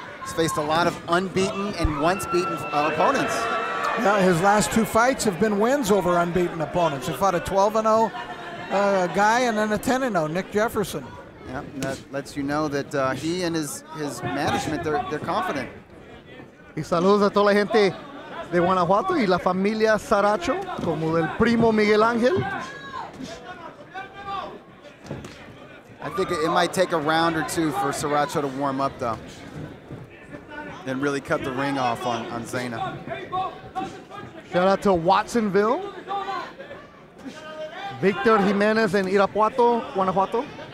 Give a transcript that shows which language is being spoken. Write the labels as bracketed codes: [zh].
[en] He's faced a lot of unbeaten and once beaten opponents. Yeah, his last two fights have been wins over unbeaten opponents. He fought a 12-0 guy and then a 10-0, Nick Jefferson. Yeah, that lets you know that he and his management, they're confident. [es] Y saludos a toda la gente de Guanajuato y la familia Saracho, como del primo Miguel Ángel. [en] I think it might take a round or two for Saracho to warm up, though, then really cut the ring off on Zaina. Shout out to Watsonville, Victor Jimenez in Irapuato, Guanajuato.